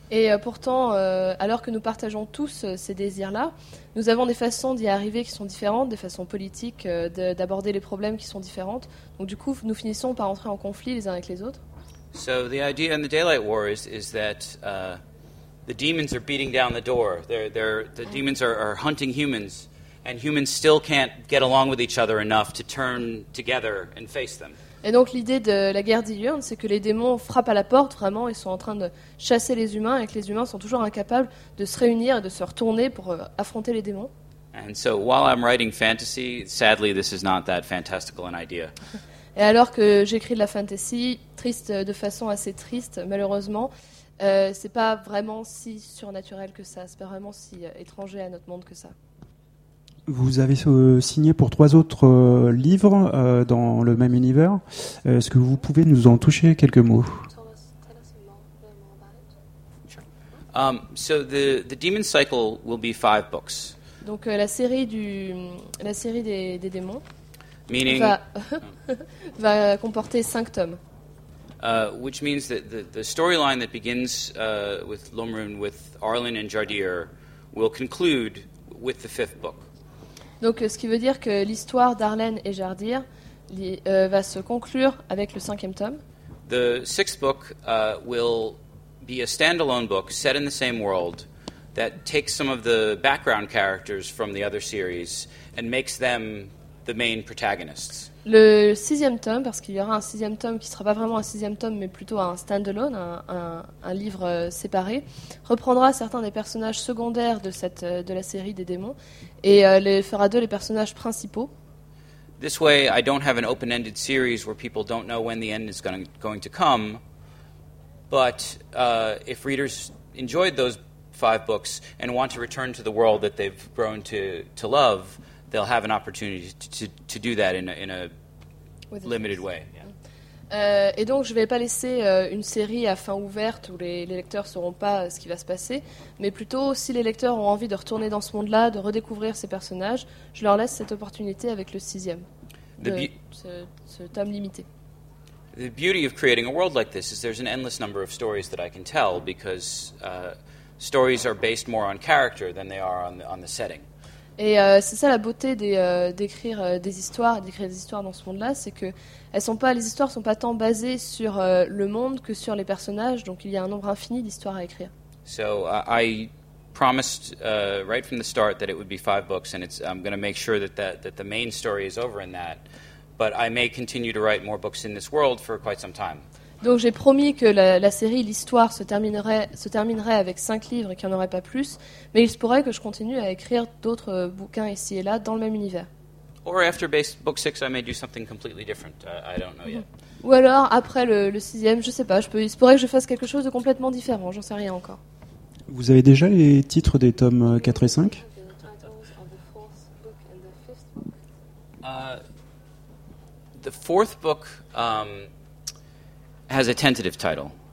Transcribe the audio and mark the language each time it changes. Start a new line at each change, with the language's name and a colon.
French: Et pourtant, alors que nous partageons tous ces désirs-là, nous avons des façons d'y arriver qui sont différentes, des façons politiques d'aborder les problèmes qui sont différentes. Donc du coup, nous finissons par entrer en conflit les uns avec les autres.
English: So the idea in the Daylight War is that the demons are beating down the door. The demons are hunting humans, and humans still can't get along with each other enough to turn together and face them.
French: Et donc l'idée de la guerre diurne, c'est que les démons frappent à la porte, vraiment, ils sont en train de chasser les humains, et que les humains sont toujours incapables de se réunir et de se retourner pour affronter les démons.
English: And so, while I'm writing fantasy, sadly, this is not that fantastical an idea.
French: Et alors que j'écris de la fantasy, triste, de façon assez triste, malheureusement, c'est pas vraiment si surnaturel que ça, c'est pas vraiment si étranger à notre monde que ça. Vous avez signé pour trois autres livres dans le même univers. Est-ce que vous pouvez nous en toucher quelques mots?
English: So the Demon Cycle will be five books.
French: Donc la série des démons
English: meaning
French: va comporter cinq tomes.
English: Which means that the storyline that begins with Lomrun, with Arlen and Jardir, will conclude with the fifth book.
French: Donc, ce qui veut dire que l'histoire d'Arlen et Jardir va se conclure avec le cinquième tome.
English: The sixth book will be a standalone book set in the same world that takes some of the background characters from the other series and makes them the main protagonists.
French: Le sixième tome, parce qu'il y aura un sixième tome qui ne sera pas vraiment un sixième tome, mais plutôt un standalone, un livre séparé, reprendra certains des personnages secondaires de la série des démons et les fera d'eux les personnages principaux.
English: This way, I don't have an open-ended series where people don't know when the end is going to come. But if readers enjoyed those five books and want to return to the world that they've grown to love, they'll have an opportunity to do that in a limited way. Yeah.
French: Et donc, je ne vais pas laisser une série à fin ouverte où les lecteurs ne sauront pas ce qui va se passer, mais plutôt, si les lecteurs ont envie de retourner dans ce monde-là, de redécouvrir ces personnages, je leur laisse cette opportunité avec le sixième, ce tome limité.
English: The beauty of creating a world like this is there's an endless number of stories that I can tell because stories are based more on character than they are on the setting.
French: Et c'est ça la beauté d'écrire des histoires, d'écrire des histoires dans ce monde-là, c'est que les histoires ne sont pas tant basées sur le monde que sur les personnages, donc il y a un nombre infini d'histoires à écrire.
English: So I promised right from the start that it would be five books, and I'm going to make sure that the main story is over in that, but I may continue to write more books in this world for quite some time.
French: Donc j'ai promis que la série, l'histoire, se terminerait avec 5 livres et qu'il n'y en aurait pas plus, mais il se pourrait que je continue à écrire d'autres bouquins ici et là dans le même univers.
English: Or after book 6, I may do something completely different. I don't know yet.
French: Ou alors, après le sixième, je ne sais pas, il se pourrait que je fasse quelque chose de complètement différent, j'en sais rien encore. Vous avez déjà les titres des tomes 4 et 5 ?
English: The fourth book has a tentative title.